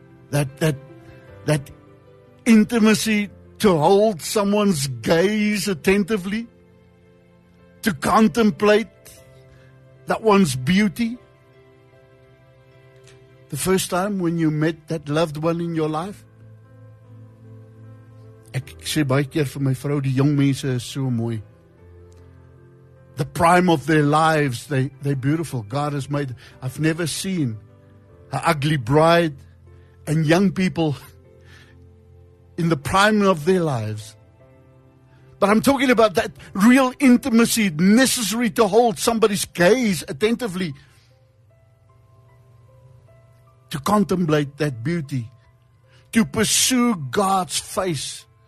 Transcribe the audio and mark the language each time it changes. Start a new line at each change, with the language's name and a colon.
English: That intimacy to hold someone's gaze attentively, to contemplate that one's beauty. The first time when you met that loved one in your life.
Afrikaans: Ek sê baie keer vir my vrou, die jong mense is so mooi.
English: The prime of their lives, they're beautiful. God has made, I've never seen an ugly bride and young people in the prime of their lives. But I'm talking about that real intimacy necessary to hold somebody's gaze attentively, to contemplate that beauty, to pursue God's face.